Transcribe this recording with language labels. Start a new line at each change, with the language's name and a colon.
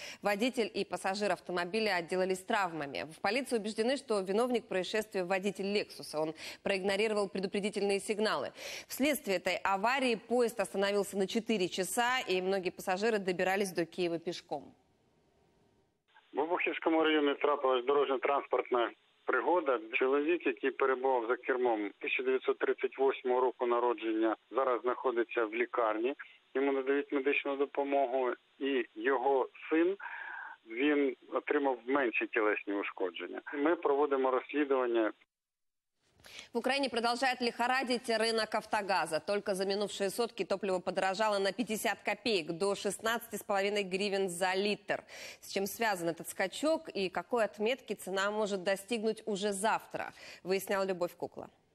Russian: Водитель и пассажир автомобиля отделались травмами. В полиции убеждены, что виновник происшествия – водитель «Лексуса». Он проигнорировал предупредительные сигналы. Вследствие этой аварии поезд остановился на 4 часа, и многие пассажиры добирались до Киева пешком.
Ukrainian: В Обухівському районі трапилась дорожньо-транспортна пригода. Чоловік, який перебував за кермом 1938 року народження, зараз знаходиться в лікарні. Йому надають медичну допомогу. І його син, він отримав менші тілесні ушкодження. Ми проводимо розслідування.
Russian: В Украине продолжает лихорадить рынок автогаза. Только за минувшие сутки топливо подорожало на 50 копеек, до 16,5 гривен за литр. С чем связан этот скачок и какой отметки цена может достигнуть уже завтра, выясняла Любовь Кукла.